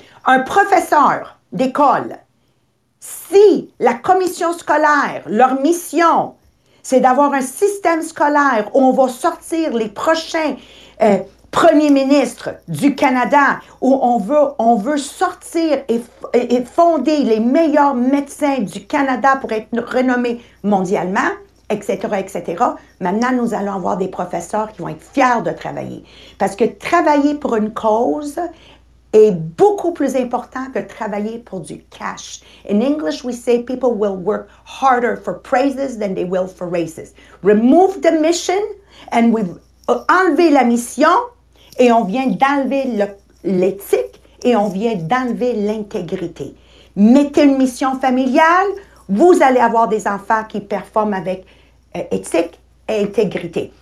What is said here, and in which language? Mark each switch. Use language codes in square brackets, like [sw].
[fr] Un professeur d'école, si la commission scolaire, leur mission, c'est d'avoir un système scolaire où on va sortir les prochains premiers ministres du Canada, où on veut sortir et fonder les meilleurs médecins du Canada pour être renommés mondialement, etc., etc. Maintenant, nous allons avoir des professeurs qui vont être fiers de travailler. Parce que travailler pour une cause est beaucoup plus important que travailler pour du cash. [en] In English, we say people will work harder for praises than they will for raises. Remove the mission and we've [fr] enlever la mission et on vient d'enlever l'éthique et on vient d'enlever l'intégrité. Mettez une mission familiale, vous allez avoir des enfants qui performent avec éthique et intégrité.